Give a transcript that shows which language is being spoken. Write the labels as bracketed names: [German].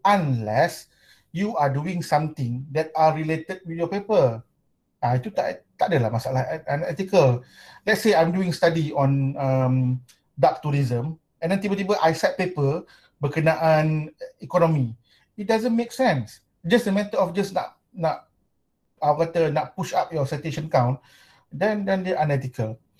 [English] Unless you are doing something that are related with your paper. [Malay] Itu tak adalah masalah unethical. [English] Let's say I'm doing study on dark tourism and then [Malay] tiba-tiba [English] I set paper [Malay] berkenaan ekonomi. [English] It doesn't make sense. Just a matter of just [Malay] nak aku kata nak [English] push up your citation count, then [Malay] dia [English] unethical.